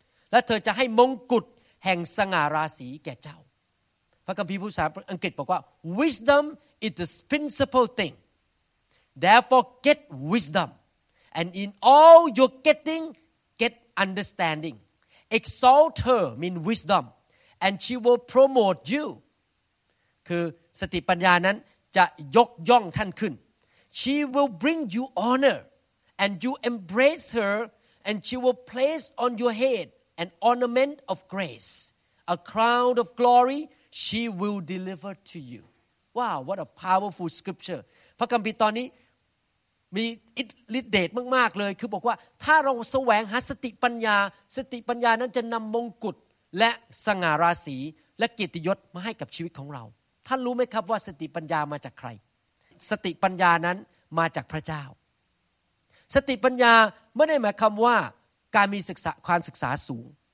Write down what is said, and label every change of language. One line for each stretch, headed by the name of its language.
Thai: และเธอจะให้มงกุฎแห่งสง่าราศีแก่เจ้าพระคัมภีร์ภาษาอังกฤษบอกว่า
English: wisdom is the principal thing therefore get wisdom and in all you're gettingUnderstanding. Exalt her mean wisdom, and she will promote you.
Thai: คือสติปัญญานั้นจะยกย่องท่านขึ้น
English: She will bring you honor, and you embrace her, and she will place on your head an ornament of grace, a crown of glory. She will deliver to you. Wow, what a powerful scripture.
Thai: พระคัมภีร์ตอนนี้มีอิทธิฤทธิ์เดชมากๆเลยคือบอกว่าถ้าเราแสวงหาสติปัญญาสติปัญญานั้นจะนำมงกุฎและสง่าราศีและเกียรติยศมาให้กับชีวิตของเราท่านรู้ไหมครับว่าสติปัญญามาจากใครสติปัญญานั้นมาจากพระเจ้าสติปัญญาไม่ได้หมายความว่าการมีศึกษาความศึกษาสูง